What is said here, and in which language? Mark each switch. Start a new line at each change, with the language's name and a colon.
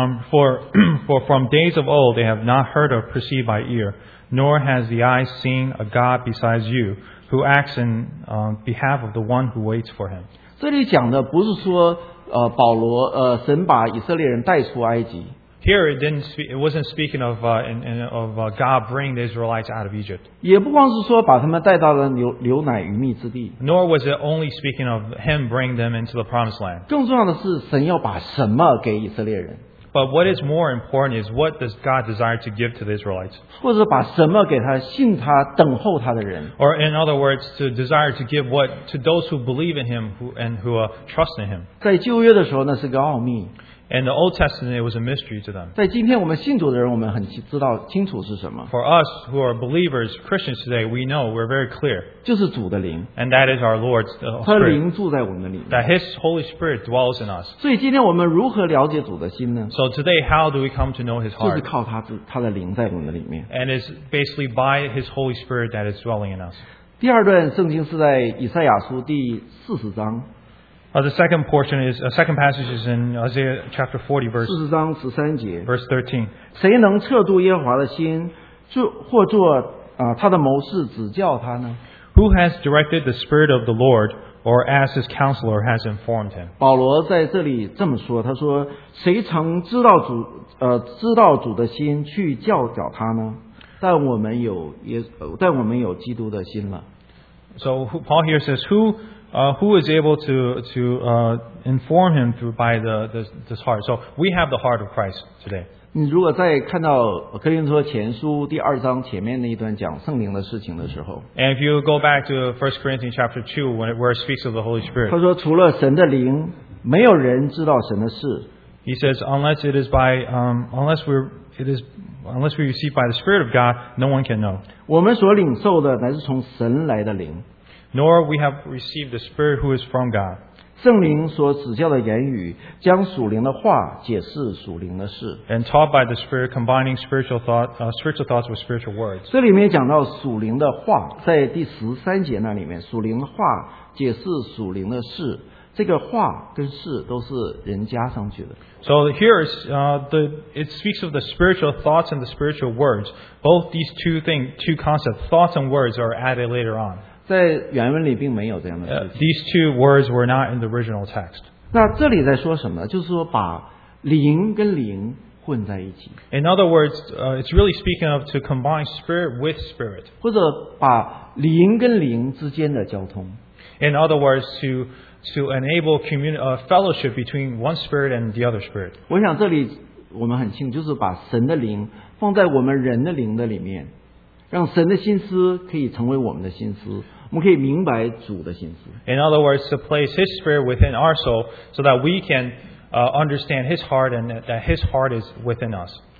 English: For from days of old they have not heard or perceived by ear, nor has the eye seen a God besides you, who acts in behalf of the one who waits for him.
Chinese: 这里讲的不是说保罗神把以色列人带出埃及。
English: Here it wasn't speaking of God bringing the Israelites out of Egypt.
Chinese: 也不光是说把他们带到了流奶与蜜之地。
English: Nor was it only speaking of him bringing them into the promised land.
Chinese: 更重要的是神要把什么给以色列人。
English: But what is more important is what does God desire to give to the Israelites?
Chinese: 或者把什么给他信他等候他的人。
English: Or in other words, to desire to give what to those who believe in him and who trust in him.
Chinese: 在旧约的时候那是个奥秘。
English: In the Old Testament, it was a mystery to them.
Chinese: 在今天我们信主的人我们很知道清楚是什么。
English: For us who are believers, Christians today, we know we're very clear.
Chinese: 就是主的灵。
English: And that is our Lord's Spirit.
Chinese: 他的灵住在我们的里面。
English: That His Holy Spirit dwells in us.
Chinese: 所以今天我们如何了解主的心呢？
English: So today, how do we come to know His heart?
Chinese: 就是靠他的灵在我们的里面。
English: And it's basically by His Holy Spirit that is dwelling in us.
Chinese: 第二段圣经是在以赛亚书第40章。
English: The second portion is a second passage is in Isaiah chapter 40 verse
Chinese: 40章13节
English: verse 13.
Chinese: 谁能测度耶和华的心，或做他的谋士指教他呢？
English: Who has directed the spirit of the Lord, or as his counselor has informed him?
Chinese: 保罗在这里这么说，他说谁曾知道主的心去教导他呢？但我们有基督的心了。
English: So Paul here says who is able to inform him through by this heart? So we have the heart of Christ today.
Chinese: 你如果在看到哥林多前书第二章前面那一段讲圣灵的事情的时候，
English: and if you go back to First Corinthians chapter 2 where it speaks of the Holy Spirit,
Chinese: 他说除了神的灵，没有人知道神的事。
English: He says unless we receive by the Spirit of God, no one can know.
Chinese: 我们所领受的乃是从神来的灵。
English: Nor we have received the Spirit who is from God.
Chinese: 圣灵所指教的言语，将属灵的话解释属灵的事。
English: And taught by the Spirit, combining spiritual thoughts with spiritual words.
Chinese: 这里面讲到属灵的话，在第十三节那里面，属灵的话解释属灵的事。这个话跟事都是人加上去的。
English: So here is it speaks of the spiritual thoughts and the spiritual words. Both these two concepts, thoughts and words, are added later on.
Chinese: 在原文里并没有这样的事情。
English: These two words were not in the original text.
Chinese: 那这里在说什么？就是说把灵跟灵混在一起。
English: In other words, it's really speaking of to combine spirit with spirit.
Chinese: 或者把灵跟灵之间的交通。
English: In other words, to enable fellowship between one spirit and the other spirit.
Chinese: 我想这里我们很清楚，就是把神的灵放在我们人的灵的里面。让神的心思可以成为我们的心思，我们可以明白主的心思。
English: In other words, to place His Spirit within our soul, so that we can understand His heart and that His heart is within us.